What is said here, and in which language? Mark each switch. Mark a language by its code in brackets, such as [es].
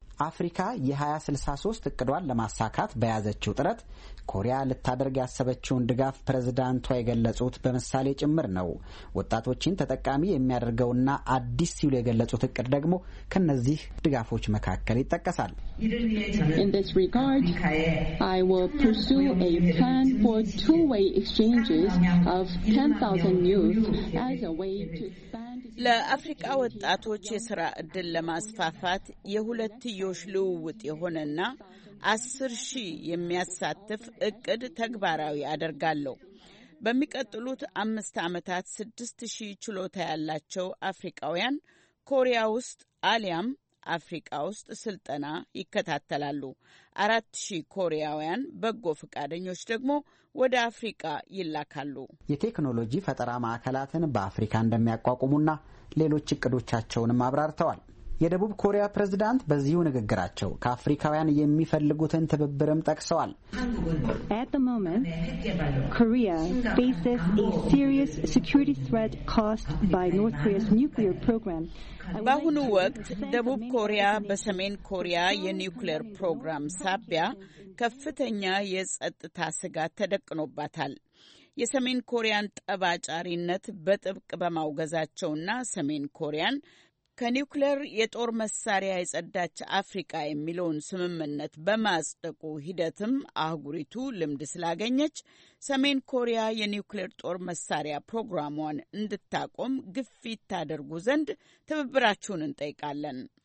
[am] አፍሪካ የ2063 እቅዷን ለማሳካት በያዘችው ጥረት ኮሪያ ለታደርግ ያሰበችውን ድጋፍ ፕሬዝዳንቷ የገለጹት በመሳሌ ጭምር ነው። ወጣቶችን ተጠቃሚ የሚያደርገውና አዲስ ሲሉ የገለጹት እቅድ ደግሞ ከነዚህ ድጋፎች መካከል ይጠቀሳል። [en] In this regard, I will pursue a plan for two-way exchanges of 10,000 youth as a way to [am] ለአፍሪካ ወጣቶች የሥራ ዕድል ለማስፋፋት የሁለትዮሽ ልውውጥ የሆነና 10,000 የሚያሳትፍ እቅድ ተግባራዊ አደርጋለሁ። በሚቀጥሉት 5 ዓመታት 6,000 ችሎታ ያላቸው አፍሪካውያን ኮሪያ ውስጥ አሊያም አፍሪካ ውስጥ ስልጠና ይከታተላሉ። 4,000 ኮሪያውያን በጎ ፈቃደኞች ደግሞ ወደ አፍሪካ ይላካሉ። የቴክኖሎጂ ፈጠራ ማዕከላትን በአፍሪካ እንደሚያቋቁሙና ሌሎች እቅዶቻቸውንም አብራርተዋል። የደቡብ ኮሪያ ፕሬዝዳንት በዚሁ ንግግራቸው ከአፍሪካውያን የሚፈልጉትን ትብብርም ጠቅሰዋል። [en] At the moment, Korea faces a serious security threat caused by North Korea's nuclear program. [am] በአሁኑ ወቅት ደቡብ ኮሪያ በሰሜን ኮሪያ የኒውክሌር ፕሮግራም ሳቢያ ከፍተኛ የጸጥታ ስጋት ተደቅኖባታል። የሰሜን ኮሪያን ጠባጫሪነት በጥብቅ በማውገዛቸውና ሰሜን ኮሪያን ከኒውክሌር የጦር መሳሪያ የጸዳች አፍሪካ የሚለውን ስምምነት በማጽደቁ ሂደትም አህጉሪቱ ልምድ ስላገኘች ሰሜን ኮሪያ የኒውክሌር ጦር መሳሪያ ፕሮግራሟን እንድታቆም ግፊት ታደርጉ ዘንድ ትብብራችሁን እንጠይቃለን።